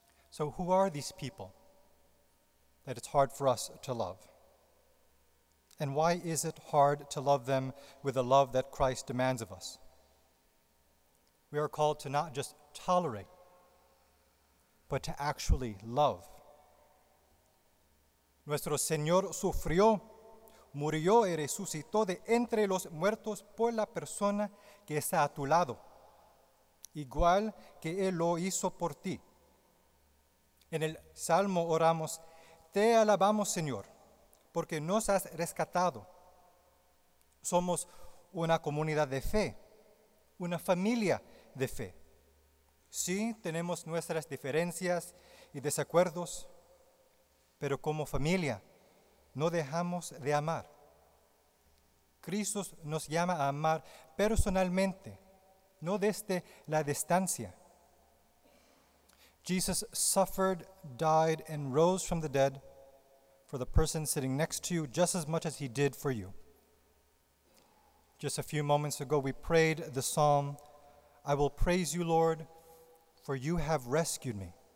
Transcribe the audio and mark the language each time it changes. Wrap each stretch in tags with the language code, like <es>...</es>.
<en>So who are these people that it's hard for us to love? And why is it hard to love them with the love that Christ demands of us? We are called to not just tolerate, but to actually love.</en> <es>Nuestro Señor sufrió, murió y resucitó de entre los muertos por la persona que está a tu lado, igual que Él lo hizo por ti. En el Salmo oramos, te alabamos, Señor, porque nos has rescatado. Somos una comunidad de fe, una familia de fe. Sí, tenemos nuestras diferencias y desacuerdos, pero como familia no dejamos de amar. Cristo nos llama a amar personalmente, no desde la distancia.</es> <en>Jesus suffered, died, and rose from the dead for the person sitting next to you just as much as he did for you. Just a few moments ago, we prayed the psalm, I will praise you, Lord, for you have rescued me.</en>